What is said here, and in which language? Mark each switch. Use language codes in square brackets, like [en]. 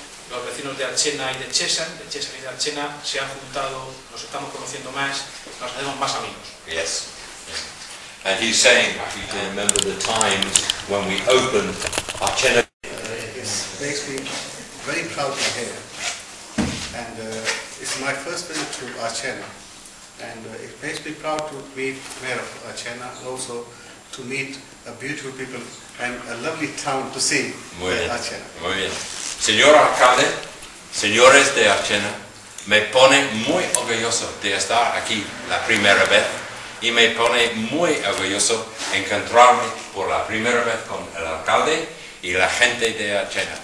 [es] Los vecinos de Archena y de Chessen, de Chessen y de Archena, se han juntado, nos estamos conociendo más, nos hacemos más amigos. [en] Yes. And he's saying, if you can remember the times when we opened Archena. It makes me very proud to be here. And it's my first visit to Archena. And it makes me proud to meet Mayor of Archena, also to meet a beautiful people and a lovely town to see. [es] Muy bien. Archena. Muy bien. Señor alcalde, señores de Archena, me pone muy orgulloso de estar aquí la primera vez. Y me pone muy orgulloso encontrarme por la primera vez con el alcalde y la gente de Archena.